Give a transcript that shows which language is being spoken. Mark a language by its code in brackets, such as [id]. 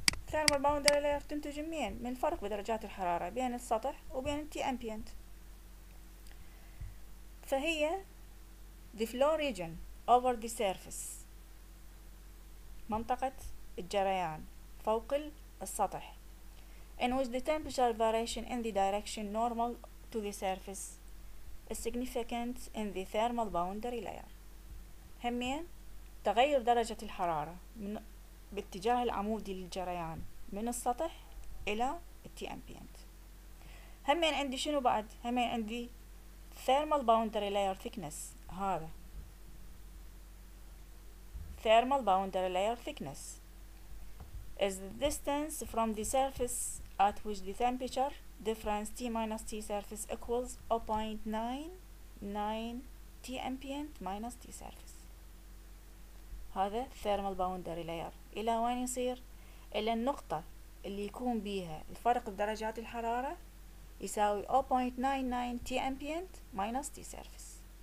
[ar] ثيرمال باوندري لاير تنتج منين؟ من الفرق بدرجات الحرارة بين السطح وبين التي امبيانت، فهي [en] the flow region over the surface، [ar] منطقة الجريان فوق السطح. [en] And with the temperature variation in the direction normal to the surface is significant in the thermal boundary layer. [ar] همين تغير درجة الحرارة من باتجاه العمودي للجريان من السطح إلى التي أمبيانت. همين عندي شنو بعد؟ همين عندي [en] thermal boundary layer thickness، هذا thermal boundary layer thickness is the distance from the surface at which the temperature difference T minus T surface equals 0.99 T ambient minus T surface. هذا thermal boundary layer. [ar] إلى وين يصير؟ إلى النقطة اللي يكون بيها الفرق بدرجات الحرارة يساوي 0.99 [en] T ambient minus T surface.